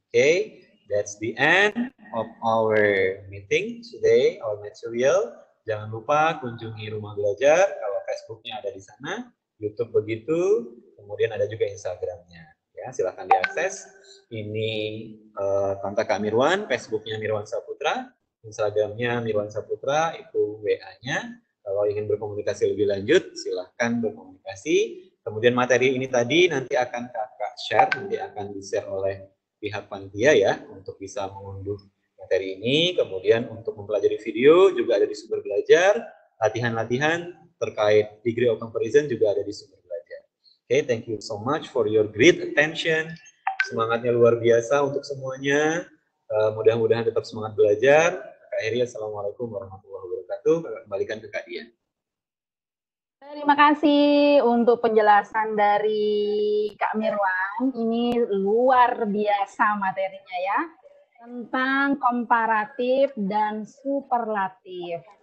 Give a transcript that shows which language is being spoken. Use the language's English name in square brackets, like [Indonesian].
[English] Okay, that's the end of our meeting today, our material. [Indonesian] Jangan lupa kunjungi Rumah Belajar, kalau Facebooknya ada di sana, YouTube begitu, kemudian ada juga Instagramnya. Ya, silahkan diakses. Ini kontak Kak Mirwan, Facebooknya Mirwan Saputra, Instagramnya Mirwan Saputra, itu WA-nya. Kalau ingin berkomunikasi lebih lanjut, silahkan berkomunikasi. Kemudian materi ini tadi nanti akan Kakak share, nanti akan di-share oleh pihak panitia ya, untuk bisa mengunduh materi ini. Kemudian untuk mempelajari video juga ada di sumber belajar. Latihan-latihan terkait degree of comparison juga ada di sumber belajar. [English] Okay, thank you so much for your great attention. [Indonesian] Semangatnya luar biasa untuk semuanya. Mudah-mudahan tetap semangat belajar. Akhirnya, assalamualaikum warahmatullahi wabarakatuh. Kembalikan ke Kak Dian. Terima kasih untuk penjelasan dari Kak Mirwan. Ini luar biasa materinya ya, tentang komparatif dan superlatif.